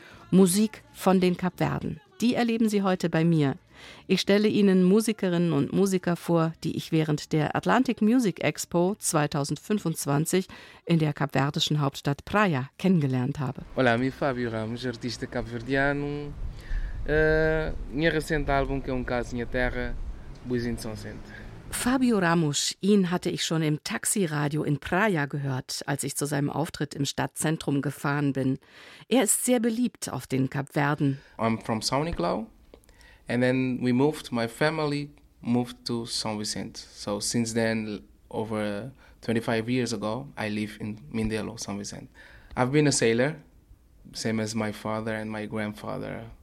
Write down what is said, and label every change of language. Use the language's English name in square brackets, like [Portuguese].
[German] Musik von den Kapverden, die erleben Sie heute bei mir. Ich stelle Ihnen Musikerinnen und Musiker vor, die ich während der Atlantic Music Expo 2025 in der kapverdischen Hauptstadt Praia kennengelernt habe. [Portuguese] Hola, mi Fabio Ramos, artista capverdiano. Meu recente álbum, que é Casa Minha Terra, Buzin São Vicente. [German] Fabio Ramos, ihn hatte ich schon im Taxiradio in Praia gehört, als ich zu seinem Auftritt im Stadtzentrum gefahren bin. Er ist sehr beliebt auf den Kapverden. [English] I'm from São Nicolau, and then we moved, my family moved to São Vicente. So since then, over 25 years ago, I live in Mindelo, São Vicente. I've been a sailor, same as my father and my grandfather.